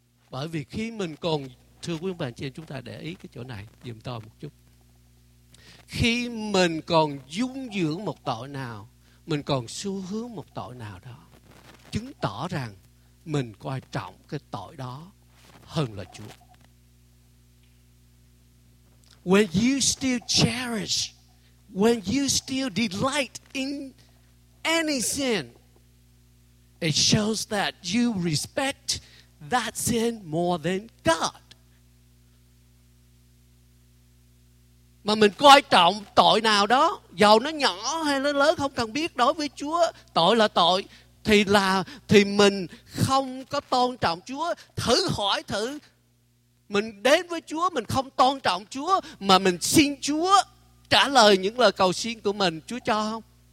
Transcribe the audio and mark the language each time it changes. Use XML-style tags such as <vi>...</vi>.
<vi>Bởi vì khi mình còn, thưa quý bạn trên, chúng ta để ý cái chỗ này giùm tôi một chút. Khi mình còn dung dưỡng một tội nào, mình còn xu hướng một tội nào đó, chứng tỏ rằng mình coi trọng cái tội đó hơn là Chúa.</vi> <en>When you still cherish, when you still delight in any sin, it shows that you respect that sin more than God.</en> <vi>Mà mình coi trọng tội nào đó, dầu nó nhỏ hay nó lớn không cần biết, đối với Chúa, tội là tội, thì mình không có tôn trọng Chúa. Thử hỏi thử, mình đến với Chúa, mình không tôn trọng Chúa, mà mình xin Chúa trả lời những lời cầu xin của mình, Chúa cho không?</vi>